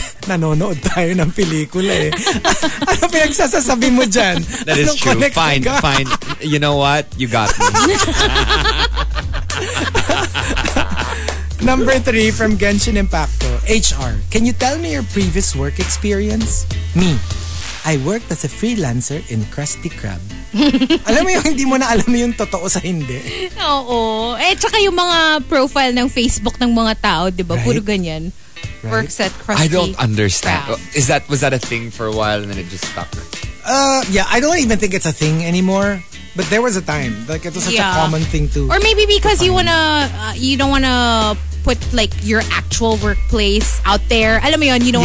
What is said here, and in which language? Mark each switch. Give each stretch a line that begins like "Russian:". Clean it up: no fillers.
Filipino: Nanonood tayo ng pelikula eh. Ano pinagsasasabi mo dyan?
English: That is
Filipino: Anong
English: true. Fine,
Filipino: ka?
English: Fine. You know what? You got me. Number three from Genshin Impacto, HR. Can you tell me your previous work experience? Me. I worked as a freelancer in Krusty Krab.
Filipino: Alam mo yung hindi mo na alam yung totoo sa hindi. Oo. Eh, tsaka yung mga profile ng Facebook ng mga tao, di ba?
English: Right?
Filipino: Puro ganyan.
English: Right? Works at Krusty Krab. I don't understand. Was that a thing for a while and then it just stuck? Yeah, I don't even think it's a thing anymore. But there was a time. Like, it was such a common thing to... Or maybe because you wanna... you don't wanna... put like your actual workplace out there.
Filipino: Alam mo yon,
English: you don't